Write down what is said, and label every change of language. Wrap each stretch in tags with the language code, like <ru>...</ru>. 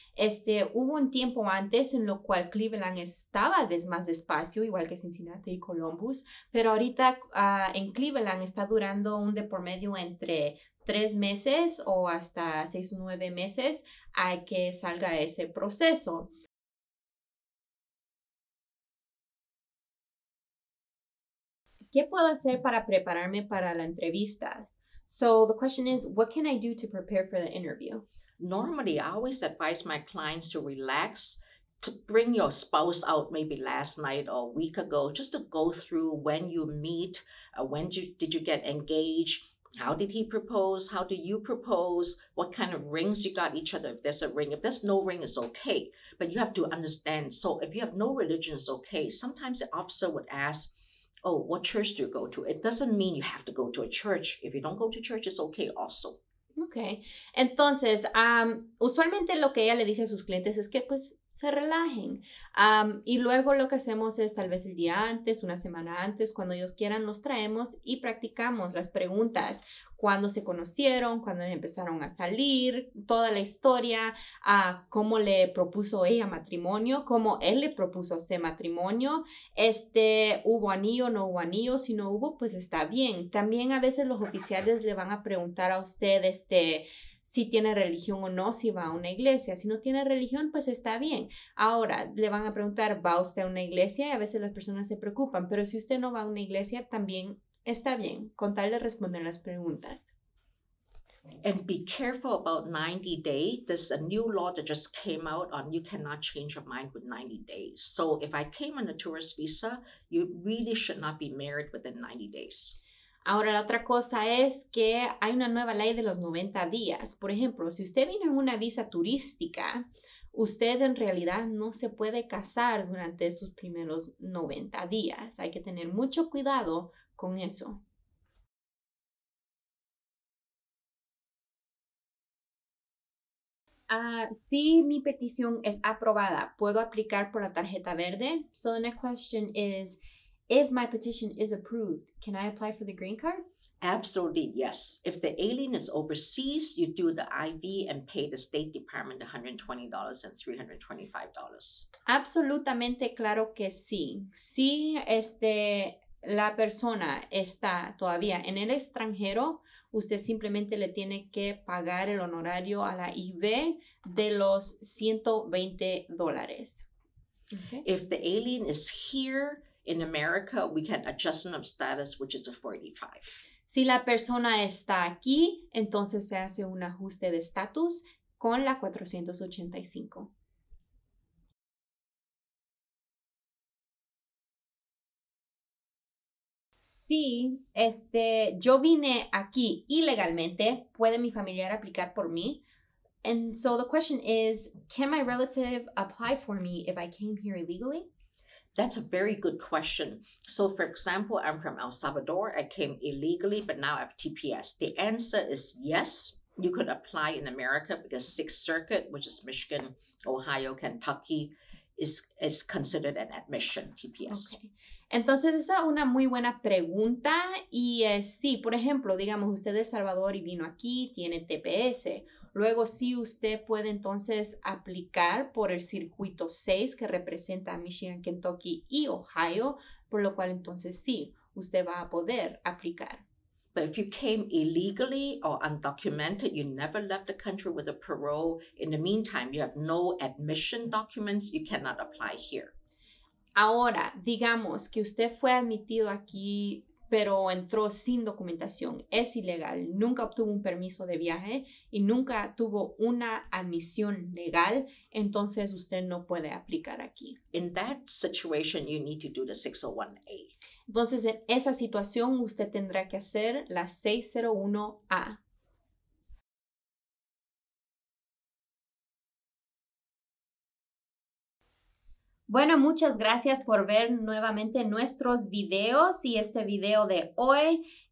<es>Hubo un tiempo antes en lo cual Cleveland estaba más despacio, igual que Cincinnati y Columbus, pero ahorita en Cleveland está durando un de por medio entre 3 meses o hasta 6 o 9 meses a que salga ese proceso. ¿Qué puedo hacer para prepararme para la entrevista?</es> <en>So the question is, what can I do to prepare for the interview? Normally, I always advise my clients to relax, to bring your spouse out maybe last night or a week ago, just to go through when you meet, when did you get engaged, how did he propose, how do you propose, what kind of rings you got each other, if there's a ring. If there's no ring, it's okay. But you have to understand, so if you have no religion, it's okay. Sometimes the officer would ask, oh, what church do you go to? It doesn't mean you have to go to a church. If you don't go to church, it's okay also.</en> <es>Okay. Entonces, usualmente lo que ella le dice a sus clientes es que, pues, se relajen. Y luego lo que hacemos es tal vez el día antes, una semana antes, cuando ellos quieran, los traemos y practicamos las preguntas. ¿Cuándo se conocieron? ¿Cuándo empezaron a salir? Toda la historia, cómo le propuso ella matrimonio, cómo él le propuso este matrimonio. ¿Hubo anillo? ¿No hubo anillo? Si no hubo, pues está bien. También a veces los oficiales le van a preguntar a usted, si tiene religión o no, si va a una iglesia. Si no tiene religión, pues está bien. Ahora, le van a preguntar, ¿va usted a una iglesia? Y a veces las personas se preocupan, pero si usted no va a una iglesia, también está bien, con tal de responder las preguntas.</es> <en>And be careful about 90 days. There's a new law that just came out on you cannot change your mind with 90 days. So if I came on a tourist visa, you really should not be married within 90 days.</en> <es>Ahora, la otra cosa es que hay una nueva ley de los 90 días. Por ejemplo, si usted viene en una visa turística, usted en realidad no se puede casar durante sus primeros 90 días. Hay que tener mucho cuidado con eso. Sí, mi petición es aprobada. ¿Puedo aplicar por la tarjeta verde?</es> <en>So the next question is, if my petition is approved, can I apply for the green card? Absolutely, yes. If the alien is overseas, you do the IV and pay the State Department $120 and $325.</en> <es>Absolutamente, claro que sí. Si la persona está todavía en el extranjero, usted simplemente le tiene que pagar el honorario a la IV de los $120.</es> <en>Okay. If the alien is here, in America, we can adjust them of status, which is a 45.</en> <es>Si la persona está aquí, entonces se hace un ajuste de estatus con la 485. Sí, yo vine aquí ilegalmente. ¿Puede mi familiar aplicar por mí?</es> <en>And so the question is, can my relative apply for me if I came here illegally? That's a very good question. So for example, I'm from El Salvador. I came illegally, but now I have TPS. The answer is yes, you could apply in America because Sixth Circuit, which is Michigan, Ohio, Kentucky, is considered an admission TPS.</en> <es>Okay. Entonces, esa es una muy buena pregunta. Y sí, por ejemplo, digamos, usted es de El Salvador y vino aquí, tiene TPS. Luego, sí, usted puede entonces aplicar por el circuito 6 que representa a Michigan, Kentucky y Ohio, por lo cual entonces sí, usted va a poder aplicar.</es> <en>But if you came illegally or undocumented, you never left the country with a parole, in the meantime, you have no admission documents, you cannot apply here.</en> <es>Ahora, digamos que usted fue admitido aquí, pero entró sin documentación, es ilegal, nunca obtuvo un permiso de viaje y nunca tuvo una admisión legal, entonces usted no puede aplicar aquí.</es> <en>In that situation, you need to do the 601A.</en> <es>Entonces, en esa situación, usted tendrá que hacer la 601A. Bueno, muchas gracias por ver nuevamente nuestros videos y este video de hoy.</es>